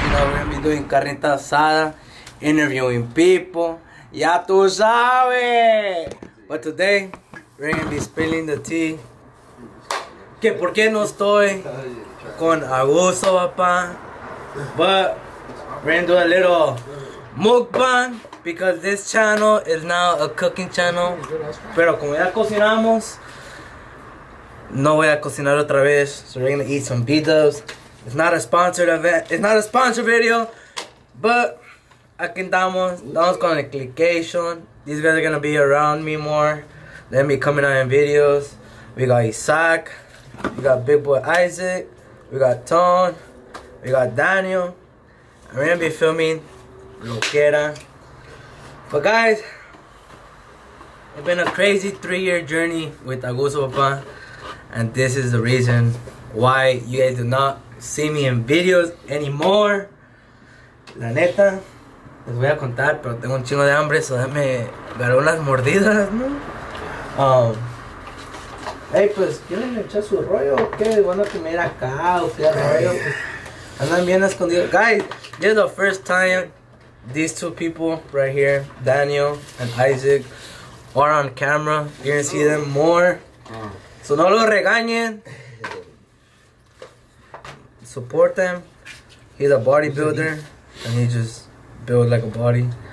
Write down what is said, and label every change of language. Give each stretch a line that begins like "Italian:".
English: You know, we're going to be doing carnita asada, interviewing people.
Spanish: Ya tú sabes!
English: But today, we're going to be spilling the tea.
Spanish: Que por qué no estoy con Augusto Papá?
English: But we're going to do a little mukbang. Because this channel is now a cooking channel.
Spanish: Pero como ya cocinamos, no voy a cocinar otra vez.
English: So we're gonna eat some B-dubs. It's not a sponsored event. It's not a sponsored video. But
Spanish: aquí andamos. Estamos con el clickation.
English: These guys are gonna be around me more. They'll be coming out in videos. We got Isaac. We got Big Boy Isaac. We got Tone. We got Daniel. And we're gonna be filming Loquera. But guys, it's been a crazy 3-year journey with Augusto Papá, and this is the reason why you guys do not see me in videos anymore.
Spanish: La neta, les voy a contar, pero tengo un chingo de hambre, so déjame agarrar unas mordidas, ¿no? Hey, pues, ¿quieren echar su rollo o qué? ¿Van a comer acá o qué rollo? Pues, andan bien escondidos.
English: Guys, this is the first time these two people right here, Daniel and Isaac, are on camera. You're gonna see them more. So
Spanish: no lo regañen.
English: Support them. He's a bodybuilder and he just build like a body.